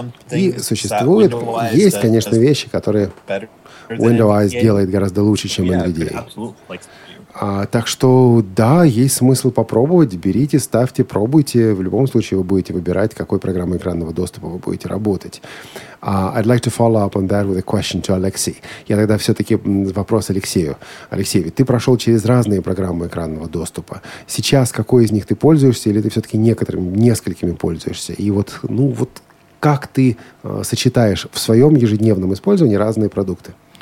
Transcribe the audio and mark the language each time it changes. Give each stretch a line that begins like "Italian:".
Russian: И существует, есть, конечно, вещи, которые WindowEyes делает гораздо лучше, чем NVDA. Так что, да, есть смысл попробовать. Берите, ставьте, пробуйте. В любом случае, вы будете выбирать, какой программой экранного доступа вы будете работать.
English: I'd like to follow up on that with a question to Alexey.
Russian: Я тогда все-таки вопрос Алексею. Алексей, ведь ты прошел через разные программы экранного доступа. Сейчас какой из них ты пользуешься, или ты все-таки некоторыми, несколькими пользуешься? И вот, ну, вот как ты сочетаешь в своем ежедневном использовании разные продукты?